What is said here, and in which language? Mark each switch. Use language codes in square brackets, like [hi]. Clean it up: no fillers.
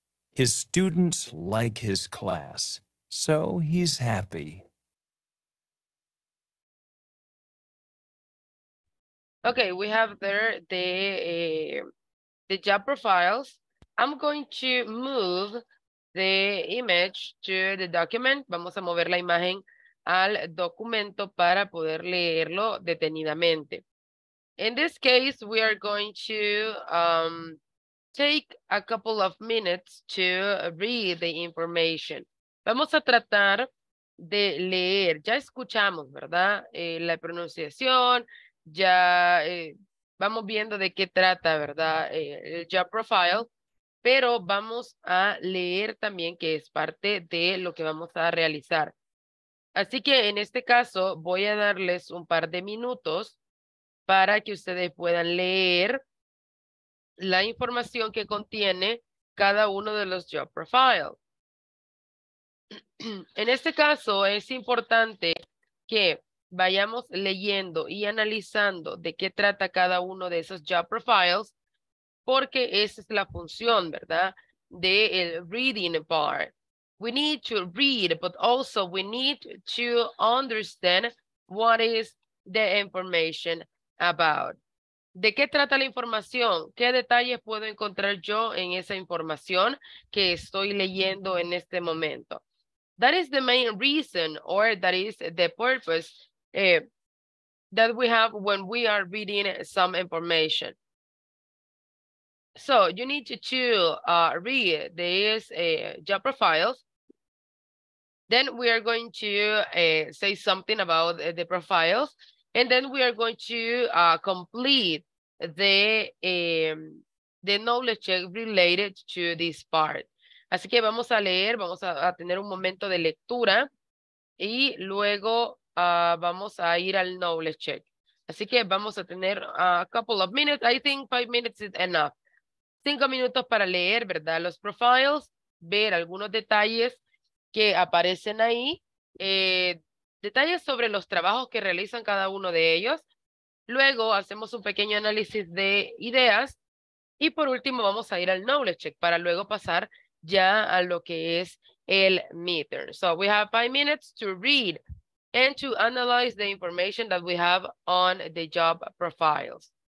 [en] His students like his class, so he's happy. Okay, we have there the job profiles. I'm going to move the image to the document. [es] Vamos a mover la imagen al documento para poder leerlo detenidamente. [en] In this case, we are going to take a couple of minutes to read the information. [es] Vamos a tratar de leer. Ya escuchamos, ¿verdad? La pronunciación, Ya vamos viendo de qué trata, ¿verdad? El job profile, pero vamos a leer también que es parte de lo que vamos a realizar. Así que en este caso voy a darles un par de minutos para que ustedes puedan leer la información que contiene cada uno de los job profile. En este caso es importante que vayamos leyendo y analizando de qué trata cada uno de esos job profiles, porque esa es la función, ¿verdad? [en] Del reading part. We need to read, but also we need to understand what is the information about. [es] ¿De qué trata la información? ¿Qué detalles puedo encontrar yo en esa información que estoy leyendo en este momento? [en] That is the main reason, or that is the purpose. That we have when we are reading some information. So you need to read these job profiles. Then we are going to say something about the profiles, and then we are going to complete the knowledge check related to this part. [es] Así que vamos a leer, vamos a tener un momento de lectura y luego vamos a ir al knowledge check. Así que vamos a tener [en] a couple of minutes. I think 5 minutes is enough. [es] 5 minutos para leer, ¿verdad? Los profiles, ver algunos detalles que aparecen ahí. Detalles sobre los trabajos que realizan cada uno de ellos. Luego hacemos un pequeño análisis de ideas. Y por último, vamos a ir al knowledge check para luego pasar ya a lo que es el midterm. [en] So we have 5 minutes to read and to analyze the information that we have on the job profiles.